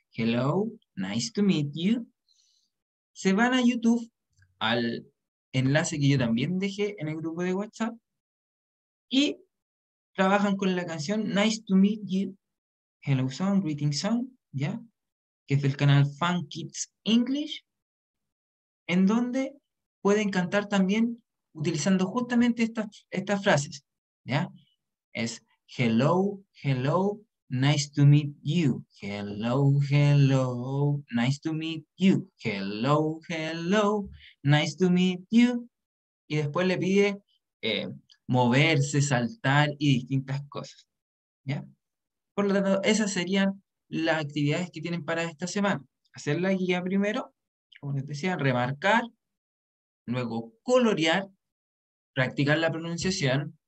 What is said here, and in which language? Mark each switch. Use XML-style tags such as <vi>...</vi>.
<en>Hello, nice to meet you.</en> <es>Se van a YouTube, al enlace que yo también dejé en el grupo de WhatsApp, y trabajan con la canción Nice to Meet You, Hello Song, Greeting Song, ¿ya? Que es del canal Fun Kids English, en donde pueden cantar también utilizando justamente estas frases, ¿ya?</es> <en>Es hello, hello, nice to meet you. Hello, hello, nice to meet you. Hello, hello, nice to meet you.</en> <es>Y después le pide moverse, saltar y distintas cosas. ¿Ya? Por lo tanto, esas serían las actividades que tienen para esta semana. Hacer la guía primero, como les decía, remarcar, luego colorear, practicar la pronunciación.</es>